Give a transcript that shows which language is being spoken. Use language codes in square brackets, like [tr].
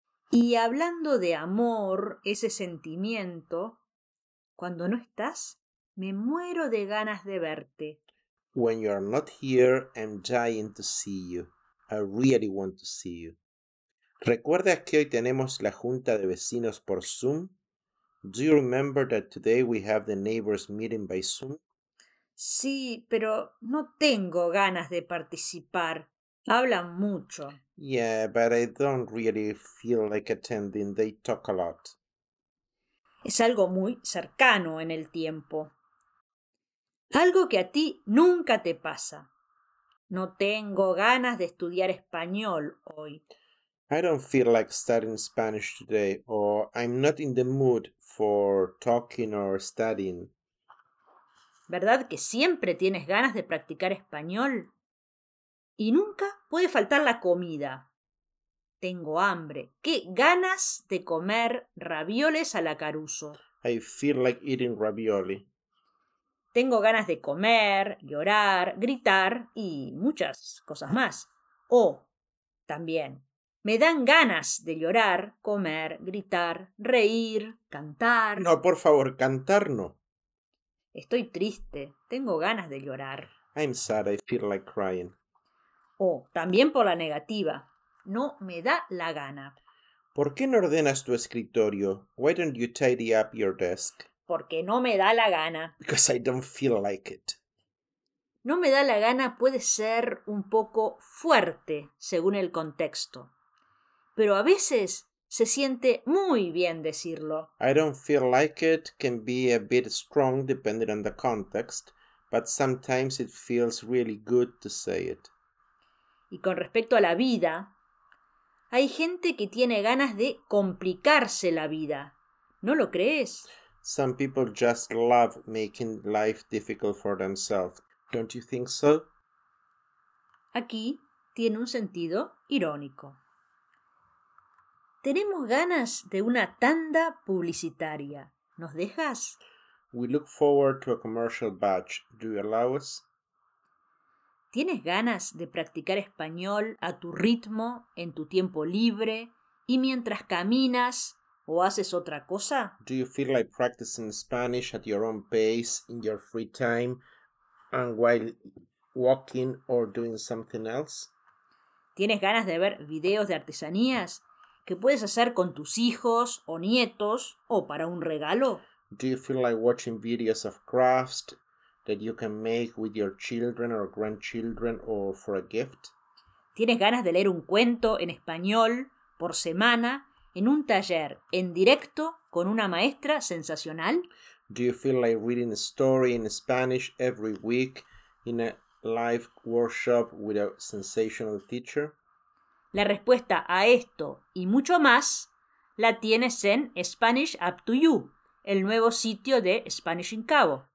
[es] Y hablando de amor, ese sentimiento, cuando no estás, me muero de ganas de verte. [en] When you are not here, I'm dying to see you. I really want to see you. [es] ¿Recuerdas que hoy tenemos la junta de vecinos por Zoom? [en] Do you remember that today we have the neighbors meeting by Zoom? [es] Sí, pero no tengo ganas de participar. Hablan mucho. [en] Yeah, but I don't really feel like attending. They talk a lot. [es] Es algo muy cercano en el tiempo. Algo que a ti nunca te pasa. No tengo ganas de estudiar español hoy. [en] I don't feel like studying Spanish today, or I'm not in the mood for talking or studying. [es] ¿Verdad que siempre tienes ganas de practicar español? Y nunca puede faltar la comida. Tengo hambre. ¡Qué ganas de comer ravioles a la Caruso! [en] I feel like eating ravioli. [es] Tengo ganas de comer, llorar, gritar y muchas cosas más. O, también, me dan ganas de llorar, comer, gritar, reír, cantar. No, por favor, cantar no. Estoy triste. Tengo ganas de llorar. [en] I'm sad. I feel like crying. [es] O, también por la negativa. No me da la gana. ¿Por qué no ordenas tu escritorio? [en] Why don't you tidy up your desk? [es] Porque no me da la gana. [en] Because I don't feel like it. [es] No me da la gana puede ser un poco fuerte, según el contexto. Pero a veces se siente muy bien decirlo. [en] I don't feel like it can be a bit strong depending on the context, but sometimes it feels really good to say it. [es] Y con respecto a la vida, hay gente que tiene ganas de complicarse la vida. ¿No lo crees? [en] Some people just love making life difficult for themselves. Don't you think so? [es] Aquí tiene un sentido irónico. Tenemos ganas de una tanda publicitaria. ¿Nos dejas? [en] We look forward to a commercial batch. Do you allow us? [es] ¿Tienes ganas de practicar español a tu ritmo, en tu tiempo libre y mientras caminas o haces otra cosa? [en] Do you feel like practicing Spanish at your own pace, in your free time, and while walking or doing something else? [es] ¿Tienes ganas de ver videos de artesanías que puedes hacer con tus hijos o nietos o para un regalo? [en] Do you feel like watching videos of crafts that you can make with your children or grandchildren or for a gift? [es] ¿Tienes ganas de leer un cuento en español por semana en un taller en directo con una maestra sensacional? [en] Do you feel like reading a story in Spanish every week in a live workshop with a sensational teacher? [es] La respuesta a esto y mucho más la tienes en Spanish Up to You, el nuevo sitio de Spanish in Cabo.